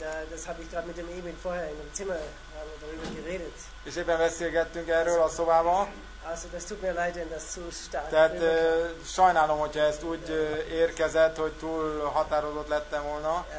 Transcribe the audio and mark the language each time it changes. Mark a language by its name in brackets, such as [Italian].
[German] Das habe ich gerade mit dem Emil vorher in dem Zimmer darüber geredet. [Hungarian] És éppen beszélgettünk erről a szobában. [German] Also das tut mir leid, wenn das zu stark. [Hungarian] Tehát sajnálom, hogyha ezt úgy érkezett, hogy túl határozott lettem volna.